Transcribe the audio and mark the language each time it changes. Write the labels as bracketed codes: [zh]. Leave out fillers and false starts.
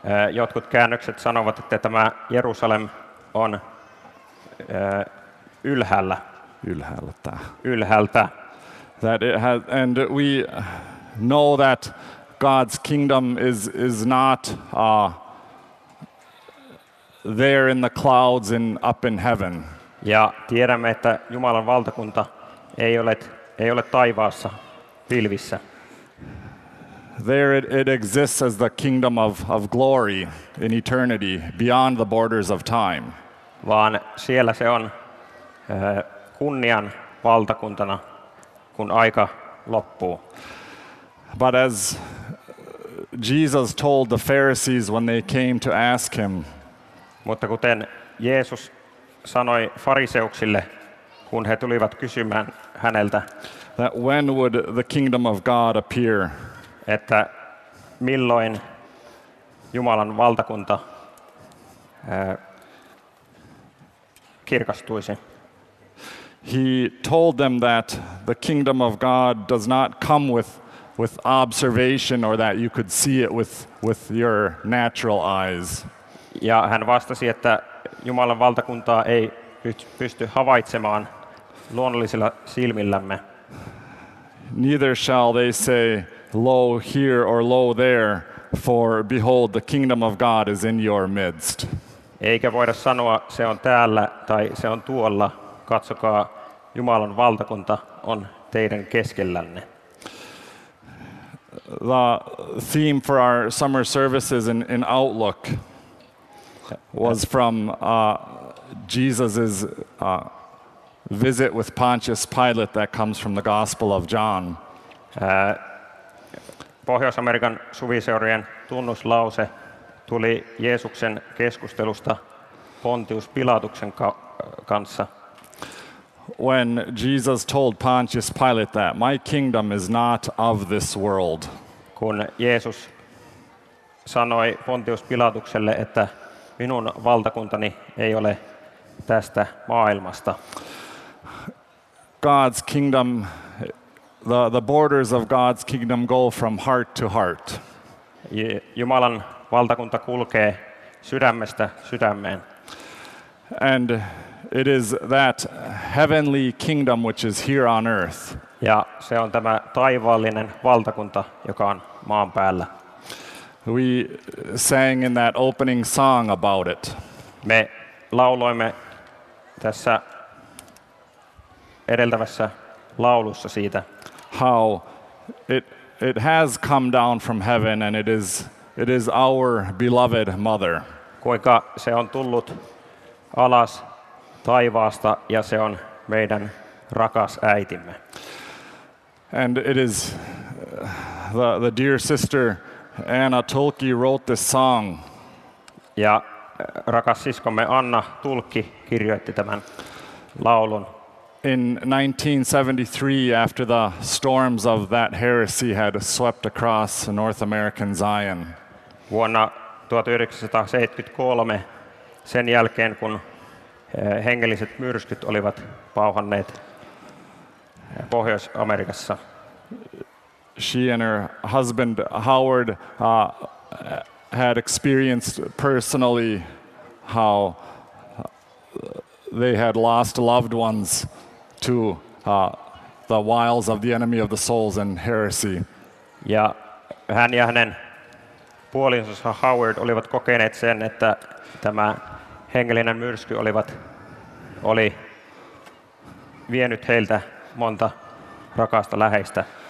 [fi] Jotkut käännökset sanovat, että tämä Jerusalem on ylhäältä. [en] That it has, and we know that God's kingdom is not there in the clouds and up in heaven. [fi] Ja tiedämme, että Jumalan valtakunta ei ole taivaassa pilvissä. [en] There it exists as the kingdom of glory in eternity beyond the borders of time. [fi] Vaan siellä se on kunnian valtakuntana, kun aika loppuu. [en] But as Jesus told the Pharisees when they came to ask him, [fi] mutta kuten Jeesus sanoi fariseuksille, kun he tulivat kysymään häneltä, [en] that when would the kingdom of God appear, [fi] että milloin Jumalan valtakunta kirkastuisi. [en] He told them that the kingdom of God does not come with observation or that you could see it with your natural eyes. [fi] Ja hän vastasi, että Jumalan valtakuntaa ei pysty havaitsemaan luonnollisilla silmillämme. [en] Neither shall they say, lo here or lo there, for behold, the kingdom of God is in your midst. [fi] Eikä voida sanoa, se on täällä tai se on tuolla. Katsokaa, Jumalan valtakunta on teidän keskellänne. [en] The theme for our summer services in Outlook was from Jesus's visit with Pontius Pilate that comes from the Gospel of John. [fi] Pohjois-Amerikan suviseurien tunnuslause tuli Jeesuksen keskustelusta Pontius Pilatuksen kanssa. [en] When Jesus told Pontius Pilate that my kingdom is not of this world. [fi] Kun Jeesus sanoi Pontius Pilatukselle, että minun valtakuntani ei ole tästä maailmasta. [en] God's kingdom, the borders of God's kingdom go from heart to heart. [fi] Jumalan valtakunta kulkee sydämestä sydämeen. [en] And it is that heavenly kingdom which is here on earth. [fi] Ja se on tämä taivaallinen valtakunta, joka on maan päällä. [en] We sang in that opening song about it. [fi] Me lauloimme tässä edeltävässä laulussa siitä. [en] How it has come down from heaven and it is our beloved mother. [fi] Kuinka se on tullut alas taivaasta ja se on meidän rakas äitimme. [en] And it is the dear sister Anna Tulkki wrote this song. [fi] Ja rakas siskomme Anna Tulkki kirjoitti tämän laulun. [en] In 1973, after the storms of that heresy had swept across North American Zion. [fi] Vuonna 1973, sen jälkeen kun hengelliset myrskyt olivat pauhanneet Pohjois-Amerikassa. [en] She and her husband Howard had experienced personally how they had lost loved ones to the wiles of the enemy of the souls and heresy. [fi] Ja hän ja hänen puolisonsa Howard olivat kokeneet sen, että tämä hengellinen myrsky oli vienyt heiltä monta rakasta läheistä.